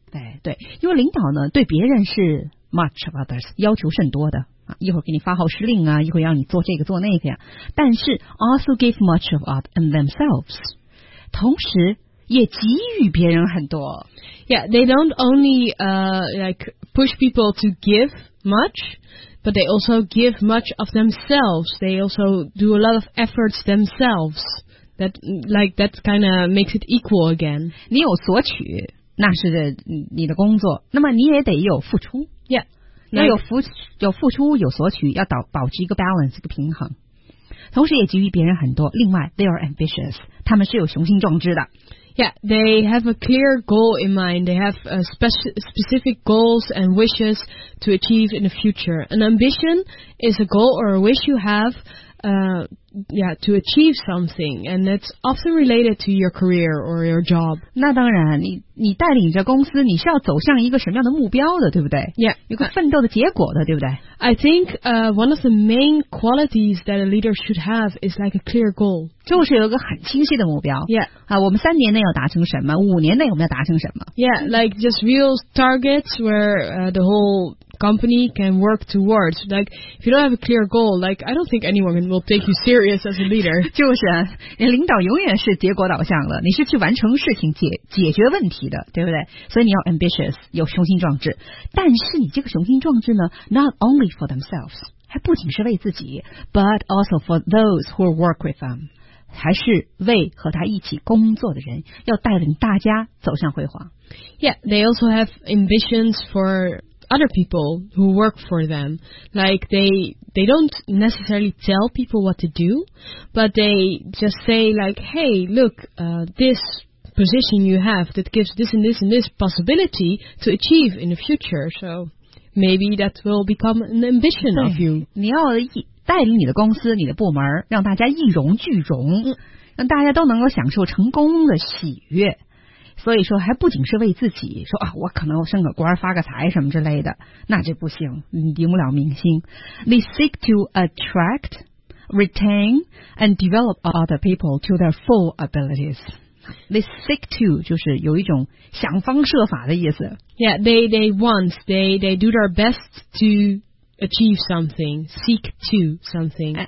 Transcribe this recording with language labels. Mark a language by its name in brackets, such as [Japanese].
[Chinese] 对对，因为领导呢对别人是 much of others 要求甚多的啊，一会儿给你发号施令啊，一会儿让你做这个做那个呀，但是 also give much of others and themselves，同时也给予别人很多。 [English] Yeah， they don't only like push people to give much。 But they also give much of themselves. They also do a lot of efforts themselves. That, like, that kind of makes it equal again. [Chinese] 你有索取，那是你的工作。那么你也得有付出。 [English] Yeah. [Chinese] 要有付出，有索取，要保持一个 balance, 一个平衡。同时也给予别人很多。另外 , they are ambitious. 他们是有雄心壮志的。 [English] Yeah, they have a clear goal in mind. They have specific goals and wishes to achieve in the future. An ambition is a goal or a wish you have to achieve something. And it's often related to your career or your job. [Chinese] 那当然，你带领着公司，你是要走向一个什么样的目标的，对不对？ [English] Yeah. [Chinese] 有个奋斗的结果的，对不对？ [English] I think one of the main qualities that a leader should have is like a clear goal. [Chinese] 就是有个很清晰的目标。 [English] Yeah. [Chinese] 啊，我们三年内要达成什么，五年内我们要达成什么。 [English] Yeah, like just real targets where the whole company can work towards. Like, if you don't have a clear goal, like, I don't think anyone will take you serious as a leader. [Chinese] 就是，你领导永远是结果导向的，你是去完成事情解决问题的，对不对？所以你要 ambitious, 有雄心壮志。但是你这个雄心壮志呢， not only for themselves, 还不仅是为自己， but also for those who work with them, 还是为和他一起工作的人，要带领大家走向辉煌。 [English] Yeah, they also have ambitions for... other people who work for them. Like they don't necessarily tell people what to do, but they just say like, hey, look, this position you have that gives this and this and this possibility to achieve in the future. So maybe that will become an ambition of you. [Chinese] 你要带领你的公司，你的部门，让大家一荣俱荣，让大家都能够享受成功的喜悦。所以说还不仅是为自己说啊，我可能升个官发个财什么之类的，那这不行，你顶不了明星。 [English] They seek to attract, retain and develop other people to their full abilities. [Chinese] They seek to 就是有一种想方设法的意思。 [English] Yeah, they do their best to achieve something, seek to something.